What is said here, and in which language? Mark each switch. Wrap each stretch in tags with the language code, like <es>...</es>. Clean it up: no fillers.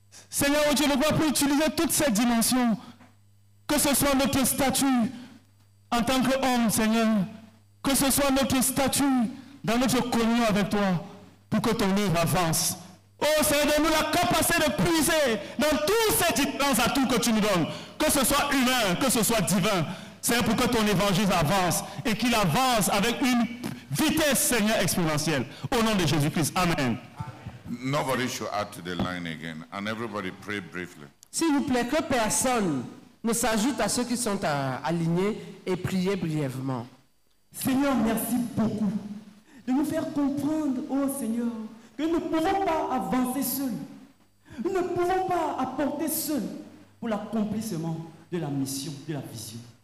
<fr>Seigneur, oh Dieu, le roi peut utiliser toutes ces dimensions, que ce soit notre statut en tant qu'homme, Seigneur, que ce soit notre statut dans notre communion avec toi, pour que ton œuvre avance. Oh Seigneur, donne-nous la capacité de puiser dans tous ces différents atouts que tu nous donnes, que ce soit humain, que ce soit divin, Seigneur, pour que ton évangile avance et qu'il avance avec une vitesse, Seigneur, exponentielle. Au nom de Jésus-Christ, amen.</fr> <en>Nobody should add to the line again, and everybody pray briefly.</en> <fr>S'il vous plaît, que personne ne s'ajoute à ceux qui sont alignés et priez brièvement. Seigneur, merci beaucoup de nous faire comprendre, oh Seigneur, que nous ne pouvons pas avancer seuls. Nous ne pouvons pas apporter seuls pour l'accomplissement de la mission, de la vision.</fr>